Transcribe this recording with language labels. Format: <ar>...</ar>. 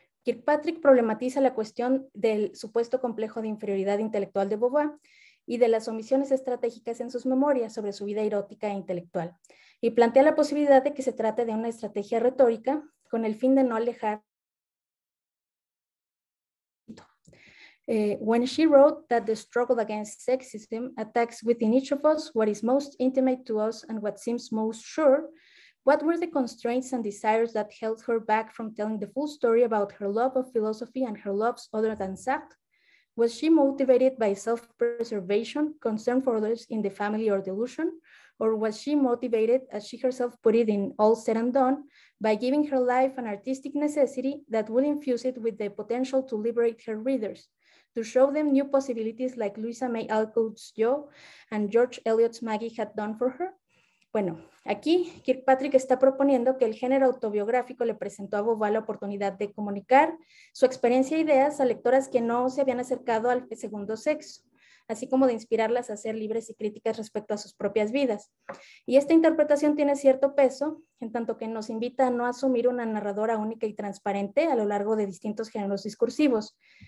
<es>Kirkpatrick problematiza la cuestión del supuesto complejo de inferioridad intelectual de Beauvoir y de las omisiones estratégicas en sus memorias sobre su vida erótica e intelectual, y plantea la posibilidad de que se trate de una estrategia retórica con el fin de no alejar.</es> <en>When she wrote that the struggle against sexism attacks within each of us what is most intimate to us and what seems most sure, what were the constraints and desires that held her back from telling the full story about her love of philosophy and her loves other than Sartre? Was she motivated by self-preservation, concern for others in the family or delusion? Or was she motivated, as she herself put it in All Said and Done, by giving her life an artistic necessity that would infuse it with the potential to liberate her readers, to show them new possibilities like Louisa May Alcott's Jo and George Eliot's Maggie had done for her?</en> <es>Bueno, aquí Kirkpatrick está proponiendo que el género autobiográfico le presentó a Beauvoir la oportunidad de comunicar su experiencia e ideas a lectoras que no se habían acercado al segundo sexo, así como de inspirarlas a ser libres y críticas respecto a sus propias vidas. Y esta interpretación tiene cierto peso, en tanto que nos invita a no asumir una narradora única y transparente a lo largo de distintos géneros discursivos.</es>